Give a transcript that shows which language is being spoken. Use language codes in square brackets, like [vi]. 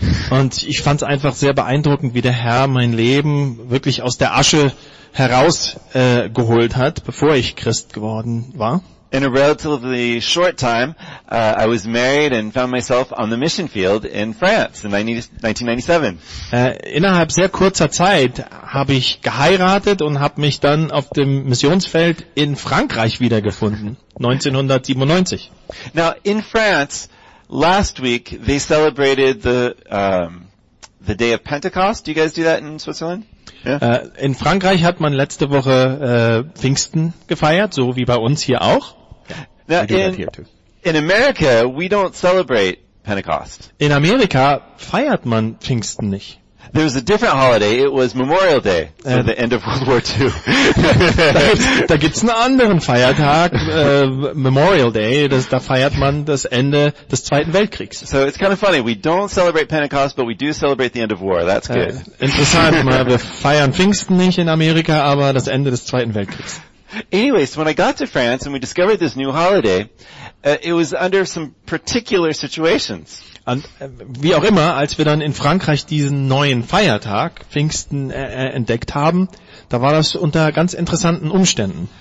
[de] Und ich fand es einfach sehr beeindruckend, wie der Herr mein Leben wirklich aus der Asche heraus geholt hat, bevor ich Christ geworden war. [en] In a relatively short time, I was married and found myself on the mission field in France in 1997. [de] Innerhalb sehr kurzer Zeit habe ich geheiratet und habe mich dann auf dem Missionsfeld in Frankreich wiedergefunden, 1997. [en] Now, in France, last week, they celebrated the day of Pentecost. Do you guys do that in Switzerland? Yeah. [de] In Frankreich hat man letzte Woche Pfingsten gefeiert, so wie bei uns hier auch. [en] Now, in America, we don't celebrate Pentecost. [de] In Amerika feiert man Pfingsten nicht. [en] There was a different holiday. It was Memorial Day, so the end of World War II. [de] Da gibt's einen anderen Feiertag, Memorial Day. Da feiert man das Ende des Zweiten Weltkriegs. [en] So it's kind of funny. We don't celebrate Pentecost, but we do celebrate the end of war. That's good. [de] Interessant. Wir feiern Pfingsten nicht in Amerika, aber das Ende des Zweiten Weltkriegs. [en] Anyways, when I got to France and we discovered this new holiday, it was under some particular situations. [de] Und wie auch immer, als wir dann in Frankreich diesen neuen Feiertag, Pfingsten, entdeckt haben, da war das unter ganz interessanten Umständen.